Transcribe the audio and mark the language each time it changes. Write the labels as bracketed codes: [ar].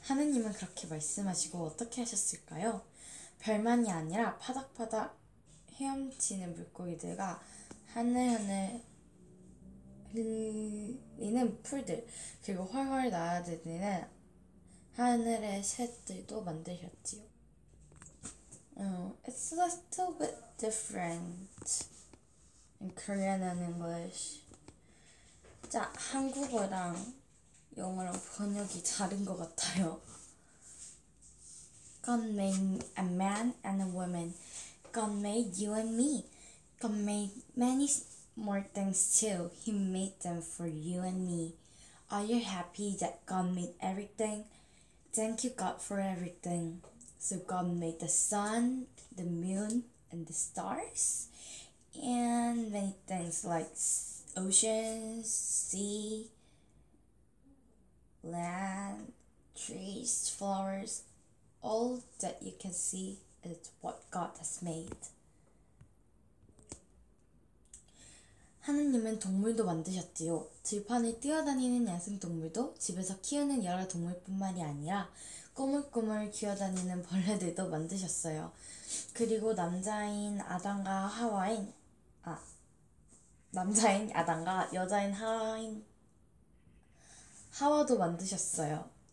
[ko] 하느님은 그렇게 말씀하시고 어떻게 하셨을까요? 별만이 아니라 파닥파닥 헤엄치는 물고기들과 하늘하늘 흘리는 풀들 그리고 활활 날아다니는 하늘의 새들도 만드셨지요. [en] It's a little bit different in Korean and English. [ko] 자, 한국어랑 영어랑 번역이 다른 것 같아요. [en] God made a man and a woman. God made you and me. God made many more things too. He made them for you and me. Are you happy that God made everything? Thank you, God, for everything. So God made the sun, the moon, and the stars, and many things like oceans, sea, land, trees, flowers, all that you can see is what God has made. [ko] 하느님은 동물도 만드셨지요. 들판을 뛰어다니는 야생동물도 집에서 키우는 여러 동물뿐만이 아니라 꾸물꾸물 기어다니는 벌레들도 만드셨어요. 그리고 남자인 아담과 여자인 하와도 만드셨어요.